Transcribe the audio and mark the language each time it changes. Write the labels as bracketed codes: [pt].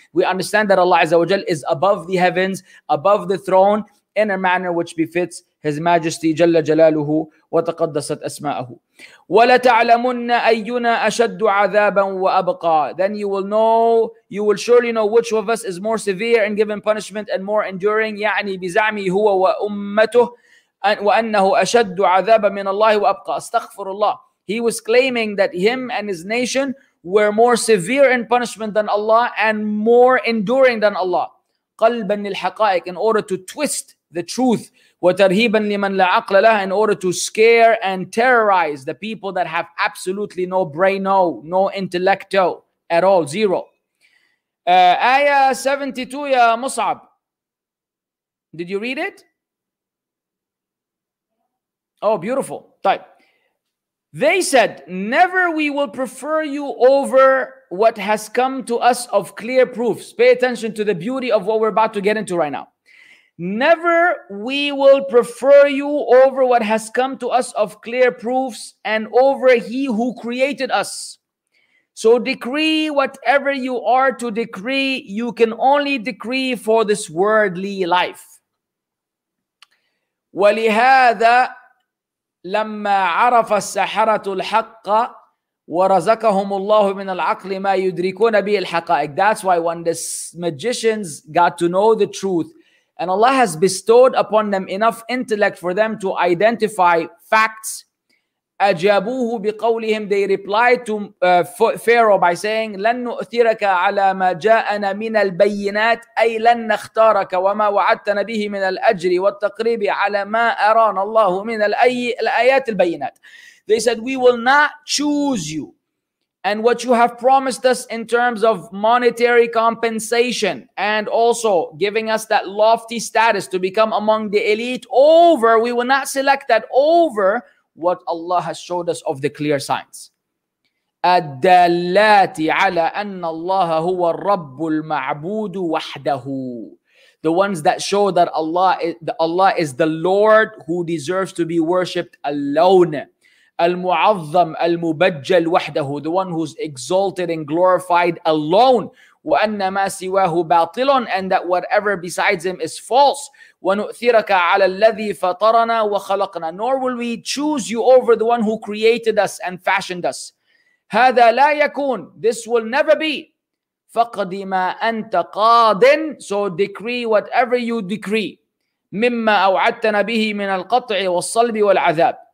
[en] We understand that Allah Azza wa Jal is above the heavens, above the throne, in a manner which befits His Majesty [ar] Jalla Jalaluhu wa taqaddasat asma'ahu. وَلَتَعْلَمُنَّ أَيُّنَا أَشَدُّ عَذَابًا وَأَبْقَى. [en] Then you will know, you will surely know which of us is more severe in given punishment and more enduring. [ar] يعني بزعمي هو وأمته وأنه أشد عذابا من الله وأبقى. استغفر الله. [en] He was claiming that him and his nation were more severe in punishment than Allah and more enduring than Allah. [ar] قَلْبًا لِلْحَقَائِقِ. [en] In order to twist the truth. [ar] وَتَرْهِيبًا لِمَنْ لَا عَقْلَ لَهُ. [en] In order to scare and terrorize the people that have absolutely no brain, no intellecto at all, zero. [ar] آية 72 يا مصعب. [en] Did you read it? Oh, beautiful. طيب. They said, never we will prefer you over what has come to us of clear proofs. Pay attention to the beauty of what we're about to get into right now. Never we will prefer you over what has come to us of clear proofs and over he who created us. So decree whatever you are to decree, you can only decree for this worldly life. [ar] ولهذا لما عرف السحرة الحق ورزقهم الله من العقل ما يدركون به الحقائق. [en] That's why when the magicians got to know the truth and Allah has bestowed upon them enough intellect for them to identify facts, [ar] أجابوه بقولهم, [en] they replied to Pharaoh by saying, [ar] لن نؤثرك على ما جاءنا من البينات, أي لن نختارك وما وعدتنا به من الأجر والتقريب على ما أرانا الله من الآيات البينات. [en] They said, we will not choose you and what you have promised us in terms of monetary compensation and also giving us that lofty status to become among the elite over, we will not select that over what Allah has showed us of the clear signs. [ar] الدالاتي على أن الله هو الرب المعبود وحده. [en] The ones that show that Allah is the Lord who deserves to be worshipped alone. [ar] المعظم المبجل وحده. [en] The one who's exalted and glorified alone. [ar] وأن ما سواه باطل, [en] and that whatever besides him is false. [ar] ونؤثرك على الذي فطرنا وخلقنا. [en] Nor will we choose you over the one who created us and fashioned us. [ar] هذا لا يكون. [en] This will never be. [ar] فقد ما أنت قاد. [en] So decree whatever you decree. [ar] مما أوعدتنا به من القطع والصلب والعذاب.